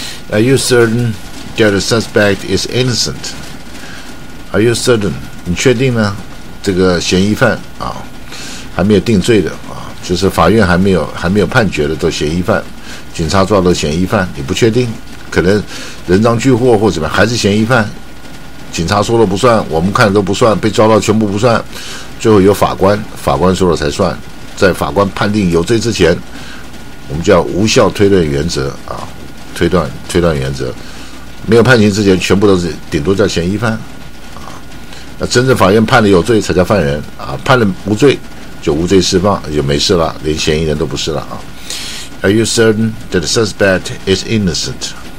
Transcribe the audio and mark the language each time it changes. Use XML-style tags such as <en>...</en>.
<en>Are you certain that the suspect is innocent? Are you certain?</en> <zh>你确定呢？这个嫌疑犯啊，还没有定罪的啊，就是法院还没有判决的都嫌疑犯，警察抓的嫌疑犯，你不确定，可能人赃俱获或怎么样，还是嫌疑犯，警察说了不算，我们看的都不算，被抓到全部不算，最后由法官说了才算，在法官判定有罪之前，我们叫无效推断原则啊，推断原则，没有判刑之前，全部都是顶多叫嫌疑犯。那真正法院判了有罪才叫犯人啊，判了无罪就无罪释放就没事了，连嫌疑人都不是了啊。</zh> <en>Are you certain that the suspect is innocent？</en>